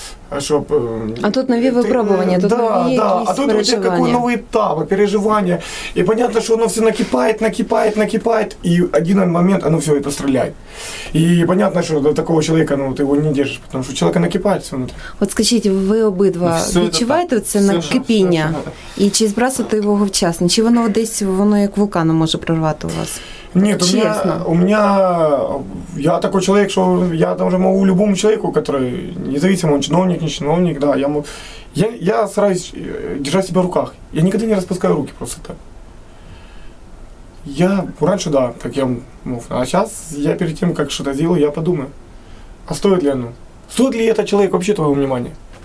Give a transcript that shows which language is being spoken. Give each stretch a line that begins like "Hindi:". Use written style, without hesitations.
Russian: А тут новые выпробования, тут новые переживания. А тут какой новый этап, переживания. И понятно, что оно все накипает. И один момент, оно все это стреляет. И понятно, что до такого человека ты его не держишь, потому что человек накипает все внутри.
Ukrainian: Вот скажите, вы обидва відчуваєте це накипіння?
Russian: И чи сбрасывать его вчасно?
Ukrainian: Чи воно десь, воно як вулкан може прорвати у вас?
Russian: Нет, у меня, я такой человек, что я даже могу любому человеку, который независимо, он чиновник, не чиновник, да, я стараюсь держать себя в руках, я никогда не распускаю руки просто так. Я раньше, да, так я мог, а сейчас я перед тем, как что-то сделаю, я подумаю, а стоит ли оно, стоит ли этот человек вообще твоего внимания?